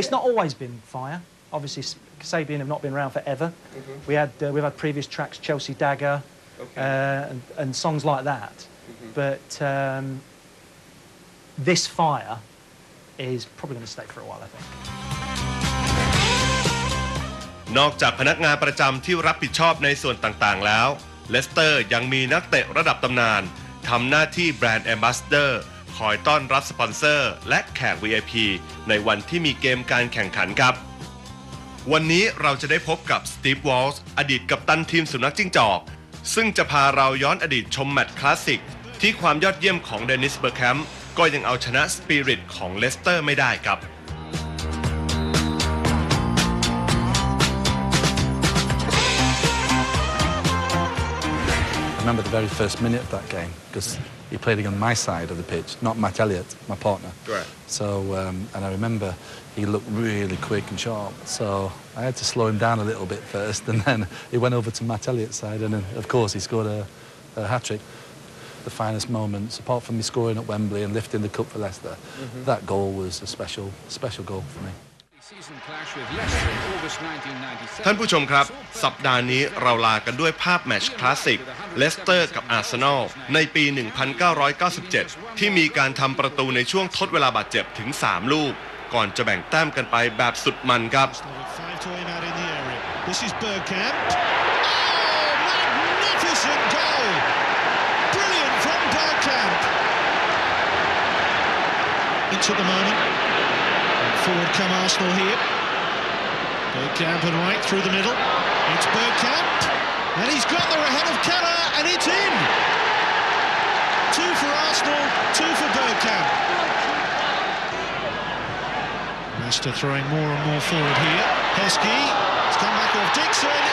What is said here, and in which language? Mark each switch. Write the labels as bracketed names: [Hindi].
[English] It's not always been Fire. Obviously, Kasabian have not been around forever. We had, we've had previous tracks, Chelsea Dagger,and songs like that, but this Fire is probably going to stay for a while, I think. [Thai] นอกจากพนักงานประจำที่รับผิดชอบในส่วนต่างๆแล้วเลสเตอร์ยังมีนักเตะระดับตำนานทำหน้าที่แบรนด์แอมบาสเดอร์คอยต้อนรับสปอนเซอร์และแขก VIP ในวันที่มีเกมการแข่งขันครับวันนี้เราจะได้พบกับสตีฟวอลช์อดีตกัปตันทีมสุนัขจิ้งจอกซึ่งจะพาเราย้อนอดีตชมแมตช์คลาสสิกที่ความยอดเยี่ยมของเดนิสเบอร์แคมป์ก็ยังเอาชนะสปิริตของเลสเตอร์ไม่ได้ครับ [English] I remember the very first minute of that game because he played on my side of the pitch, not Matt Elliott, my partner. Right. So, and I remember he looked really quick and sharp. So I had to slow him down a little bit first, and then he went over to Matt Elliott's side, and of course he scored a hat-trick. The finest moments, apart from me scoring at Wembley and lifting the cup for Leicester, that goal was a special, special goal for me. [Thai] ท่านผู้ชมครับสัปดาห์นี้เราลากันด้วยภาพแมตช์คลาสสิกเลสเตอร์กับอาร์เซนอลในปี1997ที่มีการทำประตูในช่วงทดเวลาบาดเจ็บถึง3ลูกก่อนจะแบ่งแต้มกันไปแบบสุดมันครับ [English] Forward come Arsenal here. Bergkamp and White through the middle. It's Bergkamp. And he's got there ahead of Keller and it's in. Two for Arsenal, two for Bergkamp. Leicester throwing more and more forward here. Heskey has come back off Dixon.